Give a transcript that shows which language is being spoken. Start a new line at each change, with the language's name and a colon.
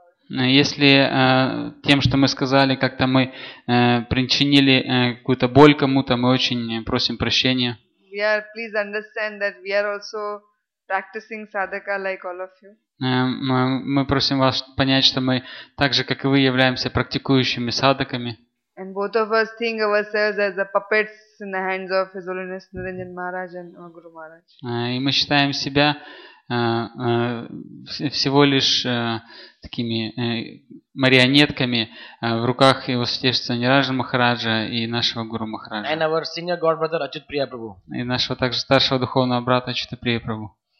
Russian: Если тем, что мы сказали, как-то мы причинили какую-то боль кому-то, мы очень просим прощения.
English: We are, please understand that we are also practicing sadhaka like all of you.
Russian: Мы просим вас понять, что мы так же, как и вы, являемся практикующими садхаками.
English: And both of us think of ourselves as the puppets in the hands of His Holiness Niranjan Maharaj and our Guru Maharaj.
Russian: И мы считаем себя всего лишь такими марионетками в руках Его Святейшества Ниранджан Махараджа и нашего Гуру Махараджа.
English: And our senior god brother Ачют Прия Прабху.
Russian: И нашего также старшего духовного брата Ачют Прия Прабху.